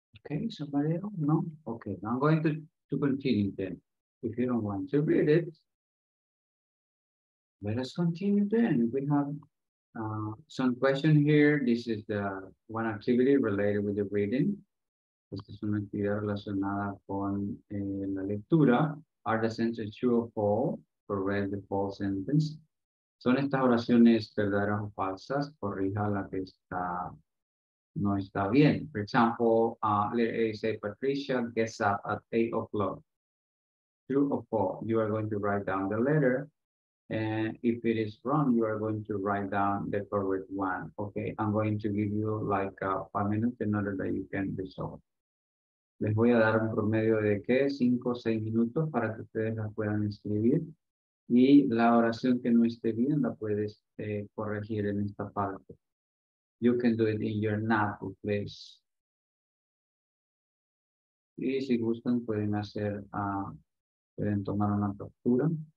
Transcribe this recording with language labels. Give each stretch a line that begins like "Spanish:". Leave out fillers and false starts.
English: Okay, somebody else? No? Okay, I'm going to continue then. If you don't want to read it, let us continue then. We have some questions here. This is the one activity related with the reading.
Spanish: Esta es una actividad relacionada con la lectura.
English: Are the sentences true or false? Correct the false sentence.
Spanish: Son estas oraciones verdaderas o falsas, corrija la que está, no está bien.
English: For example, say Patricia gets up at 8 o'clock. True or false? You are going to write down the letter If it is wrong, you are going to write down the correct one. Okay, I'm going to give you like 5 minutes in order that you can resolve.
Spanish: Les voy a dar un promedio de qué, 5 o 6 minutos para que ustedes la puedan escribir. Y la oración que no esté bien la puedes corregir en esta parte.
English: You can do it in your nap, please.
Spanish: Y si gustan, pueden hacer, pueden tomar una captura.